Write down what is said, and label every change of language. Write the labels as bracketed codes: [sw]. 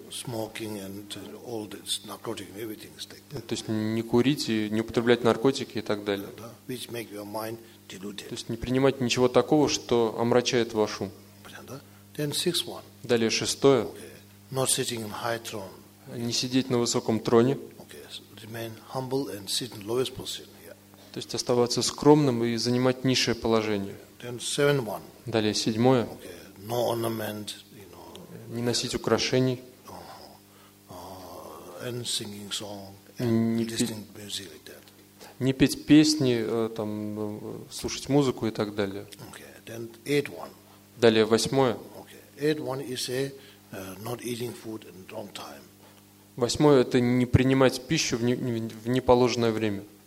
[en] Smoking and all this narcotic and everything is taken. [ru] То есть не курить и не употреблять наркотики и так далее. [en] Which make your mind deluded. [ru] То есть не принимать ничего такого, что омрачает ваш ум. [en] Then 6th one. [ru] Далее 6-е. [en] Okay. Not sitting in high throne. [ru] Не сидеть на высоком троне. [en] Okay. So remain humble and sit in lowest position. [ru] То есть оставаться скромным и занимать низшее положение. [en] Then 7-1. [ru] Далее 7-е. [en] Okay. No ornament, you know. [ru] Не носить украшений. [en] And singing song, and listening to music like that. [ru] Не петь песни, там, слушать музыку и так далее. [en] Okay. Then 8-1. [ru] Далее 8-е. [en] Okay. 8-1 is a not eating food in wrong time. [ru] 8-е это не принимать пищу в неположенное время.